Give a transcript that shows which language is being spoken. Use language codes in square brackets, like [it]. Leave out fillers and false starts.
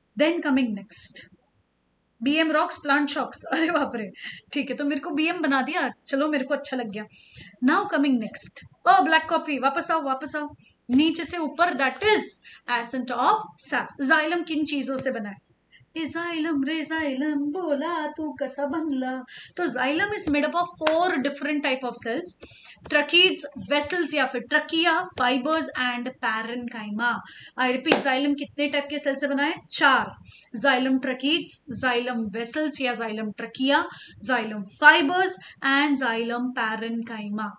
[en] Then coming next, BM rocks plant shocks. [hi] अरे बाप रे, ठीक है, तो मेरे को बीएम बना दिया, चलो मेरे को अच्छा लग गया. [en] Now coming next, oh black coffee. [hi] वापस आओ, वापस आओ. नीचे से ऊपर, [en] That is ascent of sap. [hi] Xylem किन चीजों से बना है? [mr] ए जाइलम रे जाइलम, बोला तू कसा बनला. [en] तो xylem is made up of four different type of cells, tracheids vessels या फिर trachea, fibres and parenchyma. I repeat, [hi] xylem कितने टाइप के सेल्स से बना है? चार, जाइलम ट्रकीज, जाइलम वेसल्स या xylem trachea, xylem fibres and xylem parenchyma.